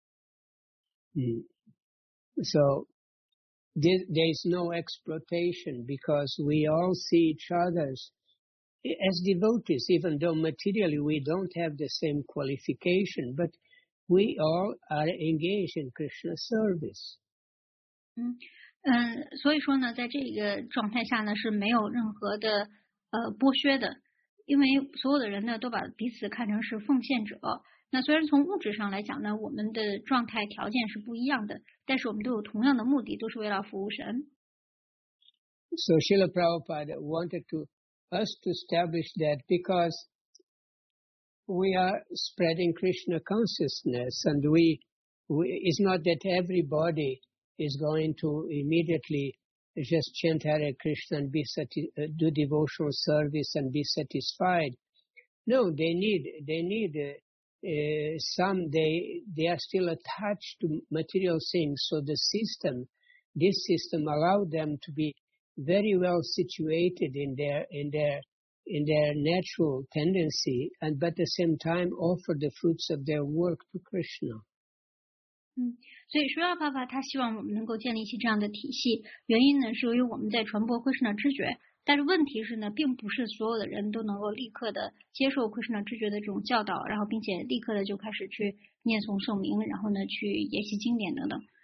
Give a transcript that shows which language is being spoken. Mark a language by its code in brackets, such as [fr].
[en] there is no exploitation because we all see each other's. As devotees, even though materially we don't have the same qualification, but we all are engaged in Krishna service. [zh] 所以说呢，在这个状态下呢是没有任何的剥削的，因为所有的人呢都把彼此看成是奉献者。那虽然从物质上来讲呢，我们的状态条件是不一样的，但是我们都有同样的目的，都是为了服务神。 [en] So Srila Prabhupada wanted to us to establish that because we are spreading Krishna consciousness and we it's not that everybody is going to immediately just chant Hare Krishna and be do devotional service and be satisfied. No, they are still attached to material things. So this system allowed them to be very well situated in their natural tendency, and but at the same time offer the fruits of their work to Krishna. [zh] 所以舒拉帕帕他希望我们能够建立一些这样的体系，原因呢是由于我们在传播奎什纳知觉，但是问题是呢，并不是所有的人都能够立刻的接受奎什纳知觉的这种教导，然后并且立刻的就开始去念诵圣名，然后呢去研习经典等等。